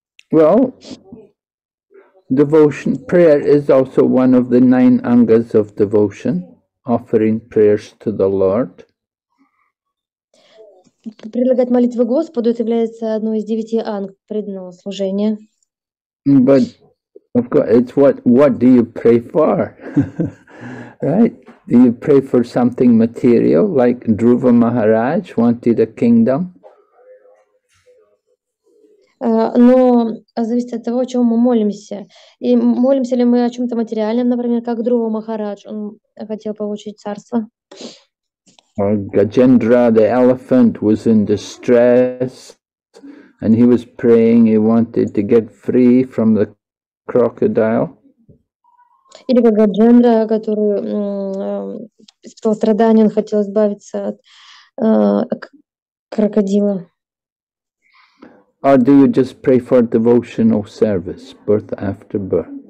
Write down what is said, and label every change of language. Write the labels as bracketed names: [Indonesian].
[English] Well, devotion, prayer is also one of the nine angas of devotion, offering prayers to the Lord. [Russian] Предлагать молитвы Господу является одной из девяти анг преданного служения. [English] But of course, it's what do you pray for, right? Do you pray for something material, like Dhruva Maharaj wanted a kingdom? [Russian] Но зависит от того, о чем мы молимся. И молимся ли мы о чем-то материальном, например, как Друва Махарадж, он хотел получить царство. [English] Or Gajendra, the elephant, was in distress, and he was praying, he wanted to get free from the crocodile. [Russian] Или Гаджендра, который испытал страдания, он хотел избавиться от крокодила. [English] Or do you just pray for devotional service, birth after birth?